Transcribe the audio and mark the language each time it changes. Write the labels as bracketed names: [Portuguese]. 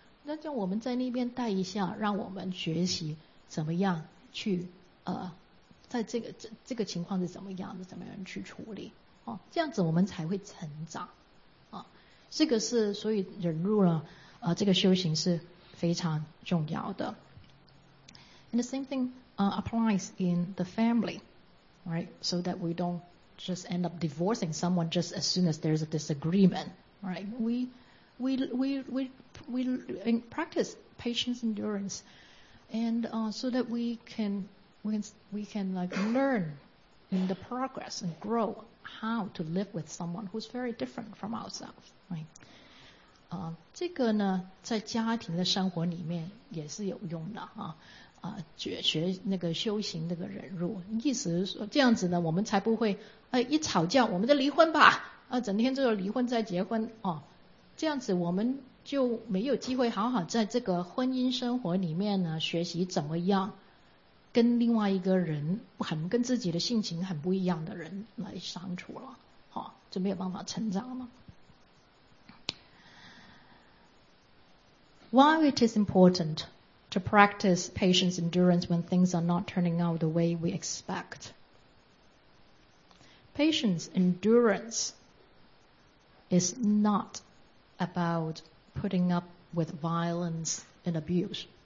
[Chinese] 那就我们在那边待一下，让我们学习怎么样去在这个情况是怎么样去处理哦，这样子我们才会成长啊。这个是所以忍辱了这个修行是非常重要的。 [English] And the same thing applies in the family. Right, so that we don't just end up divorcing someone just as soon as there's a disagreement. Right, we practice patience, endurance, and so that we can learn in the progress and grow how to live with someone who's very different from ourselves. [Chinese] Right, 这个呢，在家庭的生活里面也是有用的啊。学那个修行那个忍辱，意思是说这样子呢，我们才不会一吵架我们就离婚吧整天就离婚再结婚这样子我们就没有机会好好在这个婚姻生活里面呢学习怎么样跟另外一个人很跟自己的性情很不一样的人来相处了就没有办法成长了。 [English] Why it is importantTo practice patience endurance when things are not turning out the way we expect. Patience endurance is not about putting up with violence and abuse.